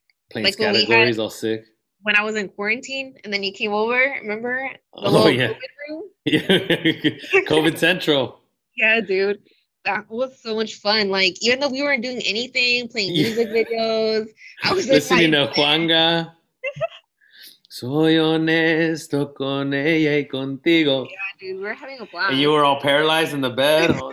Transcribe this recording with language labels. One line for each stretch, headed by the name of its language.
English: Playing like Scattergories, all sick. When I was in quarantine, and then you came over, remember? COVID room? Yeah. COVID Central. Yeah, dude. That was so much fun. Like, even though we weren't doing anything, playing music videos, I was listening to Juanga.
Spanish: Soy honesto con ella y contigo.
English: Yeah, dude, we were having a blast. And you were all paralyzed in the bed.